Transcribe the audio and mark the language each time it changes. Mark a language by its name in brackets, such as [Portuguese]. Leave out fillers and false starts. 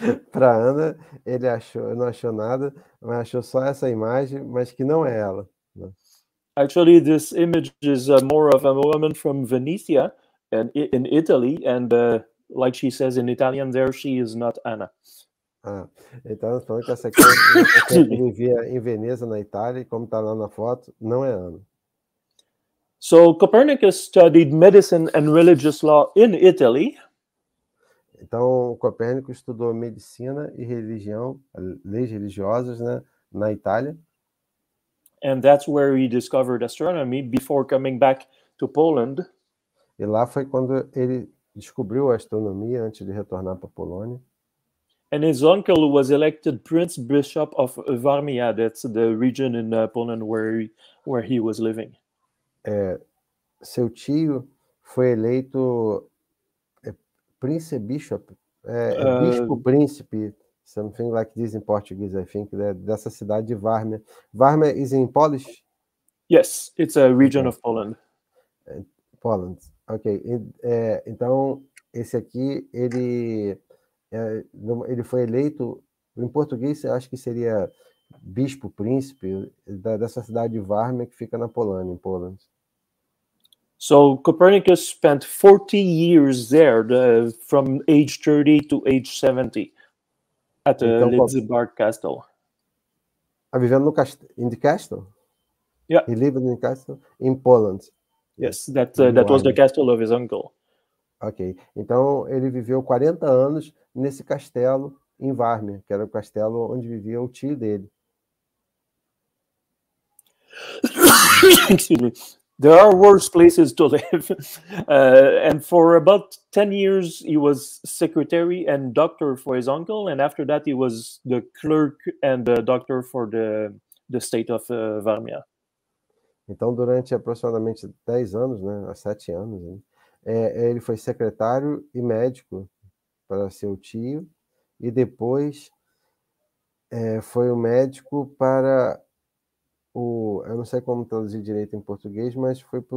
[Portuguese] Para Ana, ele achou, não achou nada, mas achou só essa imagem, mas que não é ela. [English] Actually, this image is more of a woman from Venetia and in Italy, and like she says in Italian there, she is not Anna. [Portuguese] Ah, então, falando que essa aqui vivia em Veneza, na Itália, e como está lá na foto, não é Ana. [English] So, Copernicus studied medicine and religious law in Italy. [Portuguese] Então, Copérnico estudou medicina e religião, leis religiosas, né, na Itália. [English] And that's where he discovered astronomy before coming back to Poland. [Portuguese] E lá foi quando ele descobriu a astronomia antes de retornar para a Polônia. [English] And his uncle was elected Prince Bishop of Varmia, that's the region in Poland where he was living. [Portuguese] É, seu tio foi eleito Prince Bishop, Bispo Príncipe, [English] something like this in Portuguese, I think, [Portuguese] dessa cidade de Varmia. [English] Varmia is in Polish? Yes, it's a region of Poland. [Portuguese] Poland, ok. E, é, então, esse aqui, ele... ele foi eleito, em português eu acho que seria bispo, príncipe, dessa cidade de Varmia que fica na Polônia, em Poland. [English] So, Copernicus spent 40 years there, from age 30 to age 70, at the Lidzbark Castle. [Portuguese] Ah, vivendo no castelo, [English] in the castle? Yeah. He lived in the castle, in Poland. Yes, that was the castle of his uncle. [Portuguese] Ok, então ele viveu 40 anos nesse castelo em Varmia, que era o castelo onde vivia o tio dele. [English] Excuse me. There are worse places to live. And for about 10 years, he was secretary and doctor for his uncle, and after that, he was the clerk and the doctor for the state of Varmia. [Portuguese] Então, durante aproximadamente 10 anos, né, 7 anos, né? Ele foi secretário e médico para seu tio, e depois foi o médico para o... Eu não sei como traduzir direito em português, mas foi para